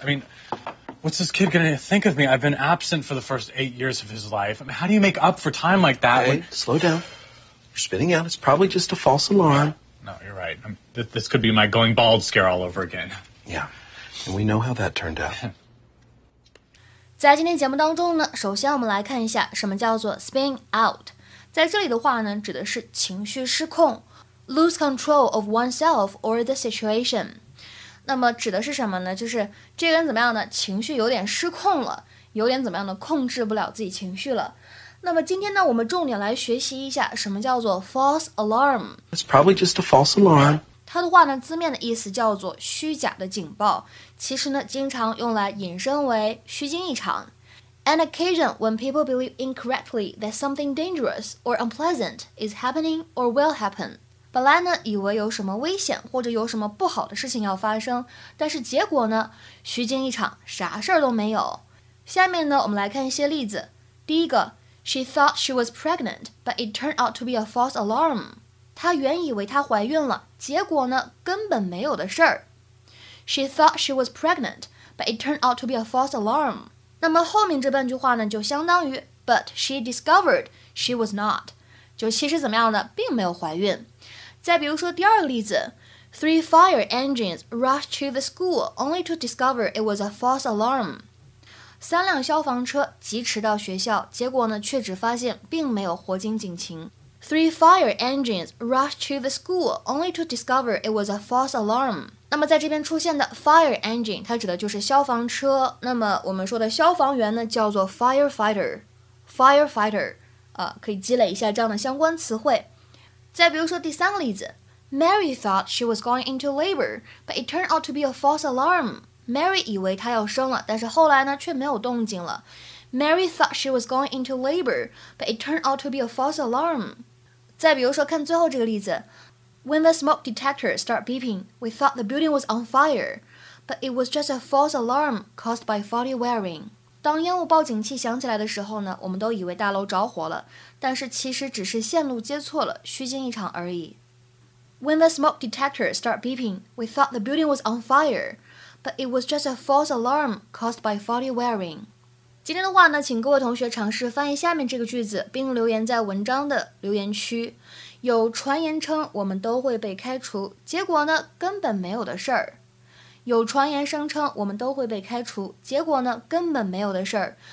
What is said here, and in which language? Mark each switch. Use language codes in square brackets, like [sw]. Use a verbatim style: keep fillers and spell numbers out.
[en] I mean, what's this kid gonna think of me? I've been absent for the first eight years of his life. I mean, how do you make up for time like that? Hey, when... slow down. You're spinning out. It's probably just a false alarm. No, you're right. I'm, th- this could be my going bald scare all over again. Yeah, and we know how that turned out. [zh] 在今天节目当中呢，首先我们来看一下什么叫做 spin out。在这里的话呢，指的是情绪失控 ， [en] lose control of oneself or the situation。 [zh] 那么指的是什么呢？就是这个人怎么样呢？情绪有点失控了，有点怎么样呢？控制不了自己情绪了。那么今天呢，我们重点来学习一下什么叫做 false alarm。 [en] It's probably just a false alarm。 [zh] 它的话呢，字面的意思叫做虚假的警报，其实呢，经常用来引申为虚惊一场。 [en] An occasion when people believe incorrectly that something dangerous or unpleasant is happening or will happen. [zh] 本来呢，以为有什么危险或者有什么不好的事情要发生，但是结果呢，虚惊一场，啥事儿都没有。下面呢，我们来看一些例子。第一个 [en] ，She thought she was pregnant, but it turned out to be a false alarm. [zh] 她原以为她怀孕了，结果呢，根本没有的事儿。 [en] She thought she was pregnant, but it turned out to be a false alarm. [zh] 那么后面这半句话呢，就相当于 [en] But she discovered she was not. [zh] 就其实怎么样呢，并没有怀孕。再比如说第二个例子 [en] ，Three fire engines rushed to the school only to discover it was a false alarm. [zh] 三辆消防车疾驰到学校，结果呢，却只发现并没有火警警情。 [en] Three fire engines rushed to the school only to discover it was a false alarm. [zh] 那么在这边出现的 fire engine 它指的就是消防车，那么我们说的消防员呢叫做 firefighter firefighter 啊，可以积累一下这样的相关词汇。再比如说第三个例子 [en] Mary thought she was going into labor, but it turned out to be a false alarm. [zh] Mary 以为她要生了，但是后来呢却没有动静了。 [en] Mary thought she was going into labor, but it turned out to be a false alarm. [zh] 再比如说看最后这个例子 [en] When the smoke detector started beeping, we thought the building was on fire, but it was just a false alarm caused by faulty wiring. [zh] 当烟雾报警器响起来的时候呢，我们都以为大楼着火了，但是其实只是线路接错了，虚惊一场而已。 [en] When the smoke detector started beeping, we thought the building was on fire, but it was just a false alarm caused by faulty wiring. [zh] 今天的话呢，请各位同学尝试翻译下面这个句子，并留言在文章的留言区。有传言称我们都会被开除，结果呢根本没有的事儿。有传言声称我们都会被开除，结果呢根本没有的事儿。